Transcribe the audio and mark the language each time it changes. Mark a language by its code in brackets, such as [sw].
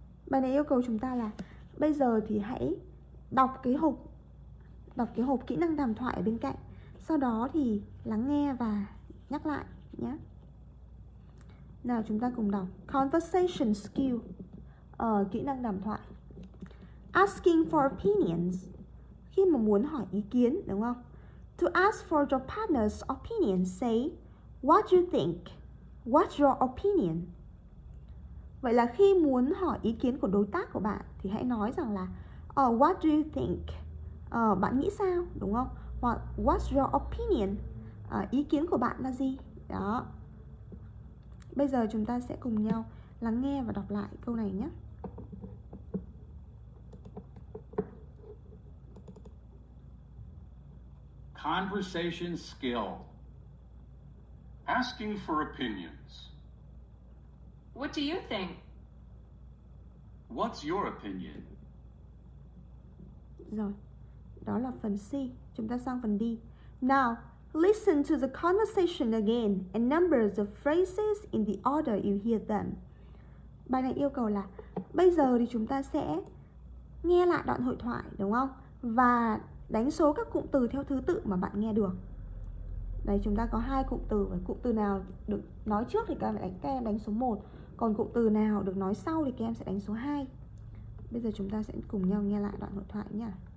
[vi] Bài này yêu cầu chúng ta là bây giờ thì hãy đọc cái hộp kỹ năng đàm thoại ở bên cạnh. Sau đó thì lắng nghe và nhắc lại nhé. Nào chúng ta cùng đọc. [en] Conversation skill, [vi] kỹ năng đàm thoại. [en] Asking for opinions. [vi] Khi mà muốn hỏi ý kiến, đúng không? [en] To ask for your partner's opinion, say, what you think? What's your opinion? [vi] Vậy là khi muốn hỏi ý kiến của đối tác của bạn thì hãy nói rằng là [en] what do you think? [vi] Bạn nghĩ sao, đúng không? Hoặc [en] what's your opinion? [vi] Ý kiến của bạn là gì? Đó. Bây giờ chúng ta sẽ cùng nhau lắng nghe và đọc lại câu này nhé. [en] Conversation skill. Asking for opinions. What do you think? What's your opinion? [vi] Rồi, đó là phần C. Chúng ta sang phần D. [en] Now, listen to the conversation again and number the phrases in the order you hear them. [vi] Bài này yêu cầu là bây giờ thì chúng ta sẽ nghe lại đoạn hội thoại, đúng không? Và đánh số các cụm từ theo thứ tự mà bạn nghe được. Đây, chúng ta có hai cụm từ. Và cụm từ nào được nói trước thì các em đánh số 1. Còn cụm từ nào được nói sau thì các em sẽ đánh số 2. Bây giờ chúng ta sẽ cùng nhau nghe lại đoạn hội thoại nhé.